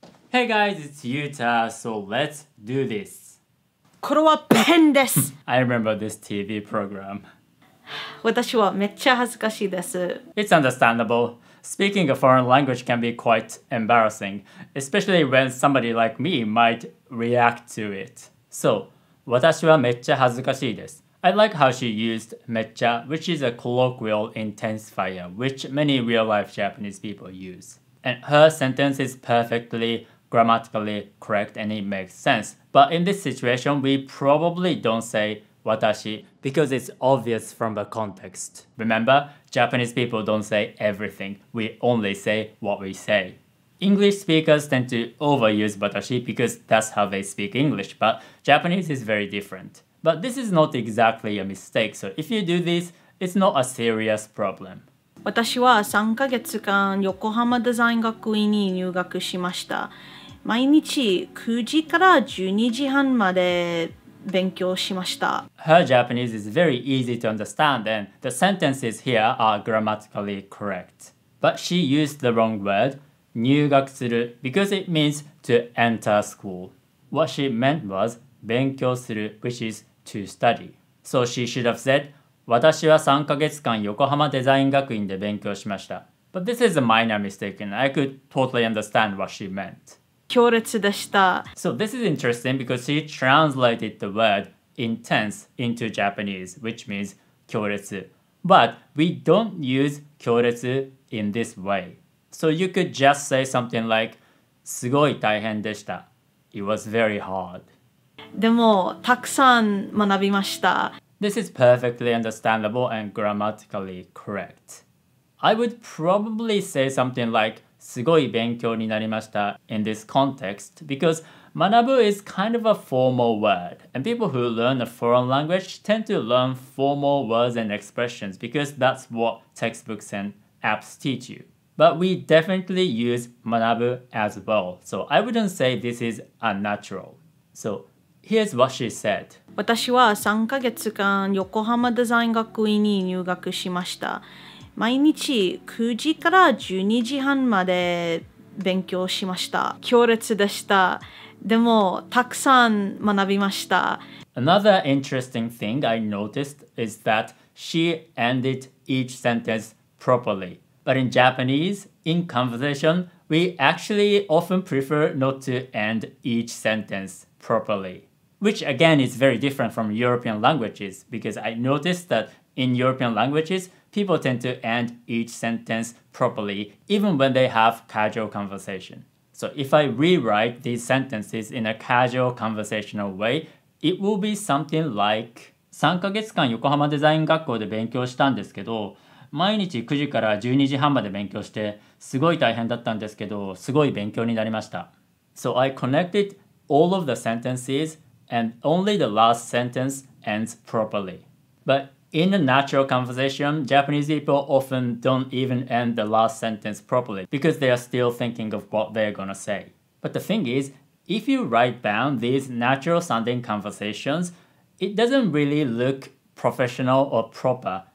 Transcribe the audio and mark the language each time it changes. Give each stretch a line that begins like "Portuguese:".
English: Hey guys, it's Yuta, so let's do this.
Japanese: これはペンです。
English: I remember this TV program.
Japanese: 私はめっちゃ恥ずかしいです。
English: It's understandable. Speaking a foreign language can be quite embarrassing, especially when somebody like me might react to it.
Japanese: So, 私はめっちゃ恥ずかしいです。
English: I like how she used めっちゃ, which is a colloquial intensifier, which many real-life Japanese people use. And her sentence is perfectly grammatically correct and it makes sense. But in this situation, we probably don't say 私 because it's obvious from the context. Remember, Japanese people don't say everything. We only say what we say. English speakers tend to overuse 私 because that's how they speak English, but Japanese is very different. But this is not exactly a mistake, so if you do this, it's not a serious problem.
Japanese: 私は3ヶ月間横浜デザイン学院に入学しました。毎日9時から12時半まで勉強しました。
English: Her Japanese is very easy to understand and the sentences here are grammatically correct. But she used the wrong word, 入学する, because it means to enter school. What she meant was,勉強する, which is to study. So she should have said,
Japanese: 私は3ヶ月間横浜デザイン学院で勉強しました。
English: But this is a minor mistake and I could totally understand what she meant.
Japanese: 強烈でした。
English: So this is interesting because she translated the word intense into Japanese, which means 強烈. But we don't use 強烈 in this way. So you could just say something like,
Japanese: すごい大変でした。
English: It was very hard.
Japanese: でも、たくさん学びました。
English: This is perfectly understandable and grammatically correct. I would probably say something like,
Japanese: すごい勉強になりました
English: in this context, because 学ぶ is kind of a formal word, and people who learn a foreign language tend to learn formal words and expressions, because that's what textbooks and apps teach you. But we definitely use 学ぶ as well, so I wouldn't say this is unnatural. So,Here's what she said.
Japanese: 私は3ヶ月間横浜デザイン学院に入学しました。毎日9時から12時半まで勉強しました。強烈でした。でもたくさん学びました。
English: Another interesting thing I noticed is that she ended each sentence properly. But in Japanese, in conversation, we actually often prefer not to end each sentence properly. Which again is very different from European languages because I noticed that in European languages, people tend to end each sentence properly even when they have casual conversation. So if I rewrite these sentences in a casual conversational way, it will be something like
Japanese: 3ヶ月間横浜デザイン学校で勉強したんですけど毎日9時から12時半まで勉強してすごい大変だったんですけどすごい勉強になりました。
English: So I connected all of the sentencesAnd only the last sentence ends properly. But in a natural conversation, Japanese people often don't even end the last sentence properly because they are still thinking of what they're gonna say. But the thing is, if you write down these natural sounding conversations, it doesn't really look professional or proper.